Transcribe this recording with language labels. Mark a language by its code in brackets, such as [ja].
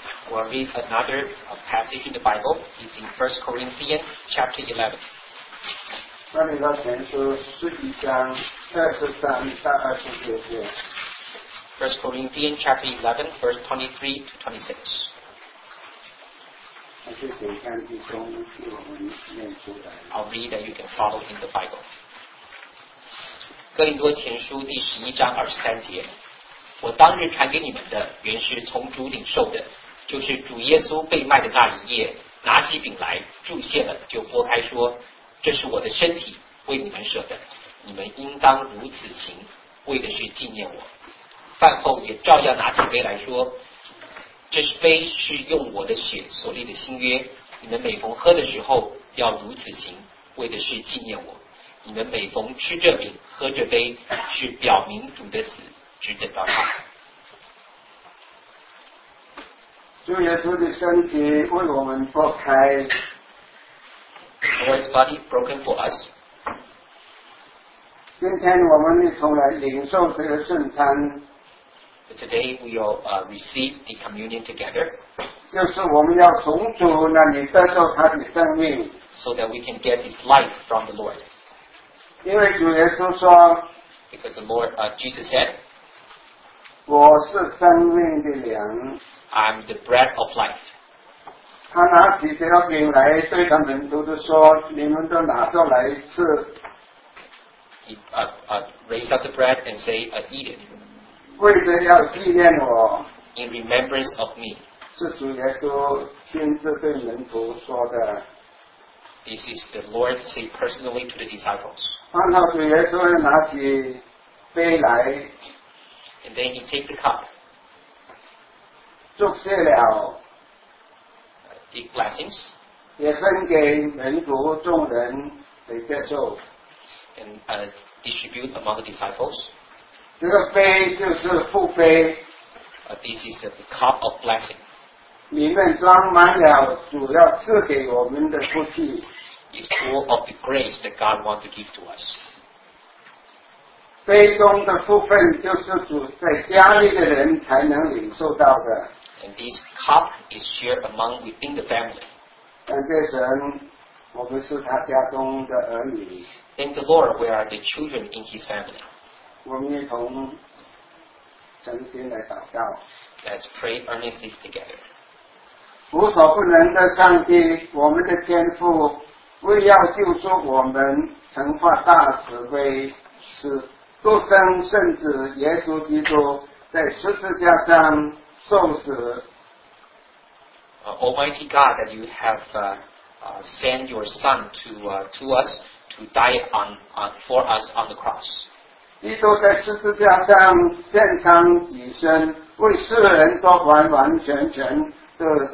[en] We'll read another passage in the Bible. It's in 1 Corinthians chapter 11. [zh] 哥林多前书是一章23-26节。 [en] 1 Corinthians chapter 11, verse 23-26. [zh] 还是简单的中文念出来。 [en] I'll read that you can follow in the Bible. [zh] 哥林多前书第十一章二十三节，我当日传给你们的原是从主领受的，就是主耶稣被卖的那一夜，拿起饼来，祝谢了，就擘开说：“这是我的身体，为你们舍的，你们应当如此行，为的是纪念我。” 饭后也照样拿起杯来说：“这杯是用我的血所立的新约，你们每逢喝的时候要如此行，为的是纪念我。” 你们每逢吃这饼喝这杯，是表明主的死，只等到他。主耶稣的身体为我们擘开。 [en] Lord's body broken for us。 [zh] 今天我们一同来领受这个圣餐。 [en] Today we will receive the communion together。 [zh] 就是我们要从主那里得到他的生命。 [en] So that we can get his life from the Lord。 [zh] 因为主耶稣说 [en] Because the Lord Jesus said [zh] 我是生命的粮 [en] I'm the bread of life [zh] 他拿起这个饼来对他们徒弟说你们都拿着来吃 [en] He raised up the bread and said eat it [zh] 为着要纪念我 [en] In remembrance of me [zh] 是主耶稣亲自对门徒说的 [en] This is the Lord saying personally to the disciples. [zh] 然后主耶稣拿起杯来 [en] And then he take the cup. [zh] 祝谢了 [en] The blessings. [zh] 也分给门徒众人来接受 [en] And distribute among the disciples. [zh] 这个杯就是父杯 [en] This is the cup of blessing. [zh] 里面装满了主要赐给我们的福气。 [en] It's full of the grace that God wants to give to us. [zh] 杯中的福分就是主在家里的人才能领受到的。 [en] And this cup is shared among within the family. [zh] 感谢神，我们是他家中的儿女。 [en] Thank the Lord, we are the children in his family. [zh] 我们一同诚心来祷告。 [en] Let's pray earnestly together. [zh] 无所不能的上帝我们的天父为要救赎我们曾发大慈悲使独生圣子耶稣基督在十字架上受死、 [en] Almighty God that you have sent your son to us to die for us on the cross [zh] 基督在十字架上献上己身为世人做完完全全的